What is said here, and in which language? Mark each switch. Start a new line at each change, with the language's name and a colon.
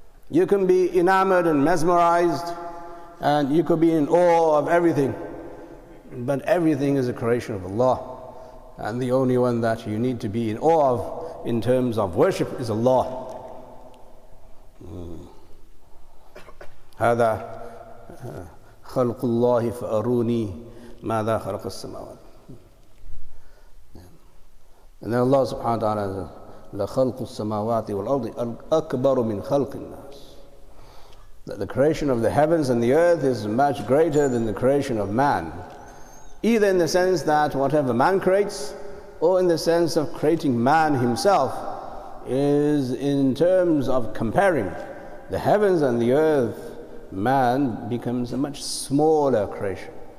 English: You can be enamored and mesmerized, and you could be in awe of everything, but everything is a creation of Allah, and the only one that you need to be in awe of in terms of worship is Allah.
Arabic: هذا خلق الله فأروني ماذا خلق السماوات.
English: And then Allah subhanahu wa ta'ala says,
Arabic: لخلق السماوات والأرض أكبر من خلق الناس.
English: That the creation of the heavens and the earth is much greater than the creation of man. Either in the sense that whatever man creates, or in the sense of creating man himself, is in terms of comparing the heavens and the earth, man becomes a much smaller creation.